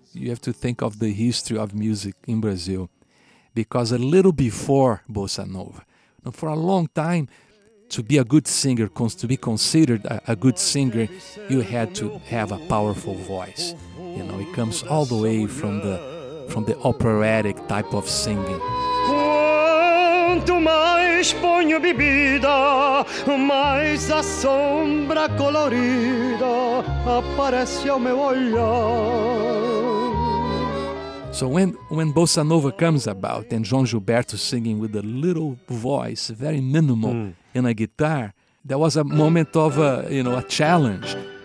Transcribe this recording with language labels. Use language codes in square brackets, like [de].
[en] You have to think of the history of music in Brazil, because a little before bossa nova, for a long time, to be a good singer, to be considered a good singer, you had to have a powerful voice. You know, it comes all the way from the operatic type of singing. [pt] Quanto mais ponho bebida, mais a sombra colorida aparece ao meu olhar. [en] So when bossa nova comes about and João Gilberto singing with a little voice, very minimal, in a guitar, there was a moment of a challenge.